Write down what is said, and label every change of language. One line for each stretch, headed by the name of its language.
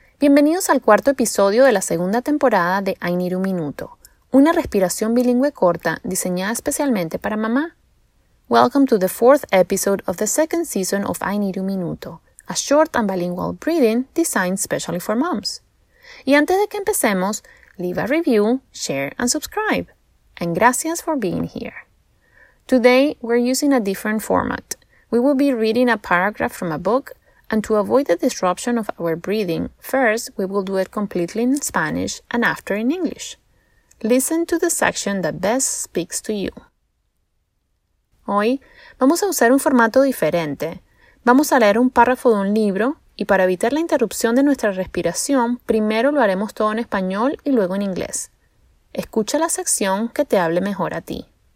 Spanish: Bienvenidos al cuarto episodio de la segunda temporada de I Need a Minuto, una respiración bilingüe corta diseñada especialmente para mamá.
English: Welcome to the fourth episode of the second season of I Need a Minuto, a short and bilingual breathing designed specially for moms.
Spanish: Y antes de que empecemos,
English: leave a review, share, and subscribe. And gracias for being here. Today, we're using a different format. We will be reading a paragraph from a book, and to avoid the disruption of our breathing, first we will do it completely in Spanish and after in English. Listen to the section that best speaks to you.
Spanish: Hoy vamos a usar un formato diferente. Vamos a leer un párrafo de un libro y para evitar la interrupción de nuestra respiración, primero lo haremos todo en español y luego en inglés. Escucha la sección que te hable mejor a ti.